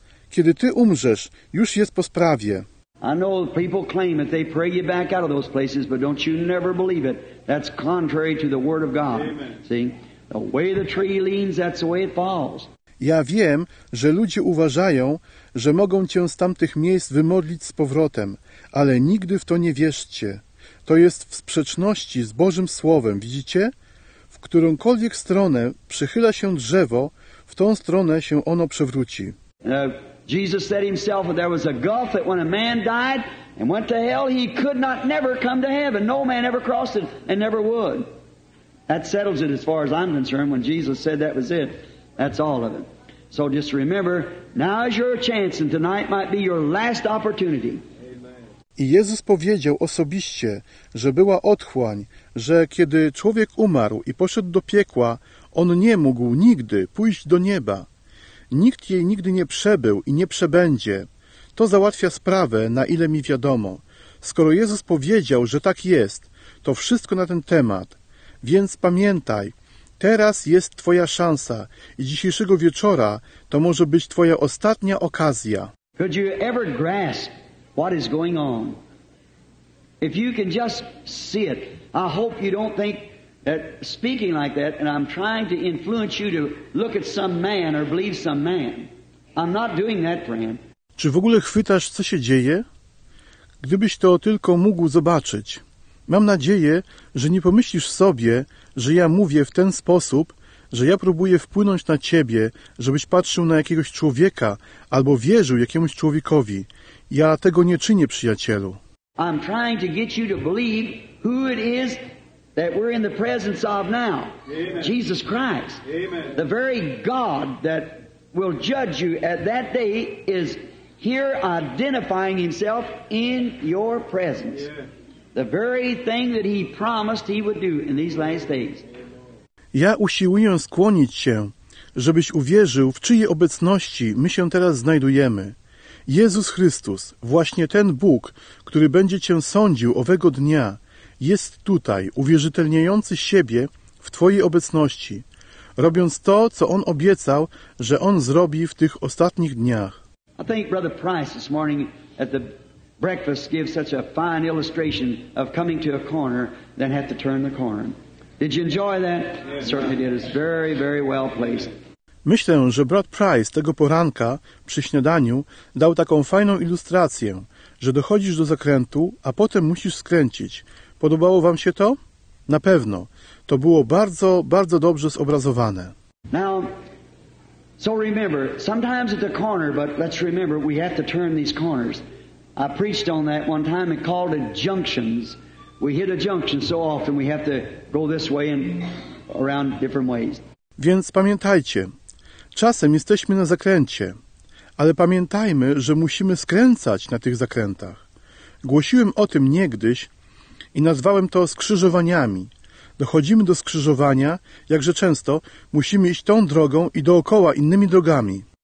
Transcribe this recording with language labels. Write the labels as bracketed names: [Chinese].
[Polish] Kiedy ty umrzesz, już jest po sprawie. [English] I know people claim that they pray you back out of those places, but don't you never believe it. That's contrary to the word of God. Amen. See, the way the tree leans, that's the way it falls. [Polish] Ja wiem, że ludzie uważają, że mogą cię z tamtych miejsc wymodlić z powrotem, ale nigdy w to nie wierzcie. To jest w sprzeczności z Bożym Słowem, widzicie? W którąkolwiek stronę przychyla się drzewo, w tą stronę się ono przewróci. [English] Jesus said himself that there was a gulf that when a man died and went to hell, he could not never come to heaven. No man ever crossed it and never would. That settles it as far as I'm concerned. When Jesus said that was it, that's all of it. So just remember, now is your chance and tonight might be your last opportunity. [Polish] I Jezus powiedział osobiście, że była otchłań, że kiedy człowiek umarł i poszedł do piekła, on nie mógł nigdy pójść do nieba. Nikt jej nigdy nie przebył i nie przebędzie. To załatwia sprawę, na ile mi wiadomo. Skoro Jezus powiedział, że tak jest, to wszystko na ten temat. Więc pamiętaj, teraz jest twoja szansa i dzisiejszego wieczora to może być twoja ostatnia okazja. [English] Could you ever grasp what is going on? If you can just see it, I hope you don't think that speaking like that, and I'm trying to influence you to look at some man or believe some man. I'm not doing that, friend. [Polish] Czy w ogóle chwytasz, co się dzieje? Gdybyś to tylko mógł zobaczyć. Mam nadzieję, że nie pomyślisz sobie, że ja mówię w ten sposób, że ja próbuję wpłynąć na ciebie, żebyś patrzył na jakiegoś człowieka albo wierzył jakiemuś człowiekowi. Ja tego nie czynię, przyjacielu. [English] I'm trying to get you to believe who it is that we're in the presence of now. Amen. Jesus Christ. Amen. The very God that will judge you at that day is here identifying himself in your presence. Yes. The very thing that he promised he would do in these last days. [Polish] Ja usiłuję skłonić cię, żebyś uwierzył, w czyjej obecności my się teraz znajdujemy. Jezus Chrystus, właśnie ten Bóg, który będzie cię sądził owego dnia, jest tutaj, uwierzytelniający siebie w twojej obecności, robiąc to, co on obiecał, że on zrobi w tych ostatnich dniach. [English] I think Brother Price this morning at the breakfast gave such a fine illustration of coming to a corner, then have to turn the corner. Did you enjoy that? Yes. Certainly did. It's very, very well placed. [Polish] Myślę, że brat Price tego poranka przy śniadaniu dał taką fajną ilustrację, że dochodzisz do zakrętu, a potem musisz skręcić. Podobało wam się to? Na pewno. To było bardzo, bardzo dobrze zobrazowane. [English] Now, so remember, sometimes at the corner, but let's remember, we have to turn these corners. I preached on that one time and called it junctions. We hit a junction so often we have to go this way and around different ways. [Polish] Więc pamiętajcie, czasem jesteśmy na zakręcie, ale pamiętajmy, że musimy skręcać na tych zakrętach. Głosiłem o tym niegdyś i nazwałem to skrzyżowaniami. Dochodzimy do skrzyżowania, jakże często musimy iść tą drogą i dookoła innymi drogami.